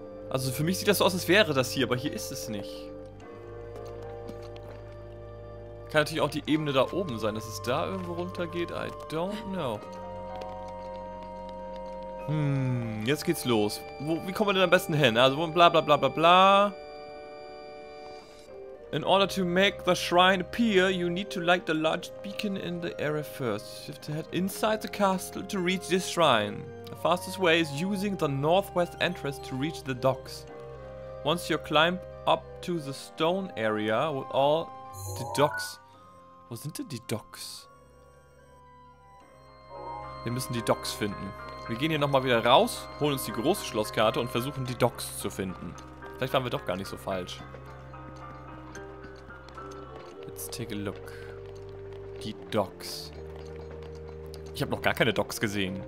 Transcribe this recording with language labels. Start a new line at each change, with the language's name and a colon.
German: Also für mich sieht das so aus, als wäre das hier, aber hier ist es nicht. Kann natürlich auch die Ebene da oben sein, dass es da irgendwo runter geht.
English: I don't know.
German: Hm, jetzt geht's los. Wo, wie kommen wir denn am besten hin? Also bla bla bla bla bla.
English: In order to make the shrine appear, you need to light the largest beacon in the area first. You have to head inside the castle to reach this shrine. The fastest way is using the northwest entrance to reach the docks. Once you climb up to the stone area with all the docks.
German: Wo sind denn die Docks? Wir müssen die Docks finden. Wir gehen hier nochmal wieder raus, holen uns die große Schlosskarte und versuchen die Docks zu finden. Vielleicht waren wir doch gar nicht so falsch.
English: Let's take a look.
German: Die Docks. Ich habe noch gar keine Docks gesehen.